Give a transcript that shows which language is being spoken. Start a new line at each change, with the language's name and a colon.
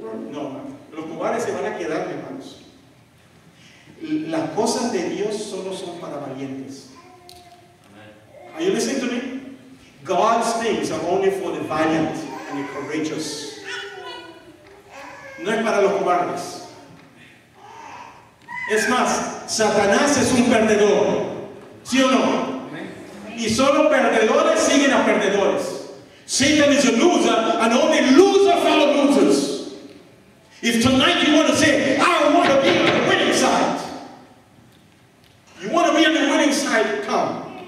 Spanish: No, los cobardes se van a quedar, hermanos. Las cosas de Dios solo son para valientes.
English: Are you listening to me? God's things are only for the valiant and the courageous.
Spanish: No es para los cobardes. Es más, Satanás es un perdedor, ¿sí o no? Y solo perdedores siguen a perdedores.
English: Satan is a loser, and only losers follow losers. If tonight you want to say, I want to be on the winning side, you want to be on the winning side, come.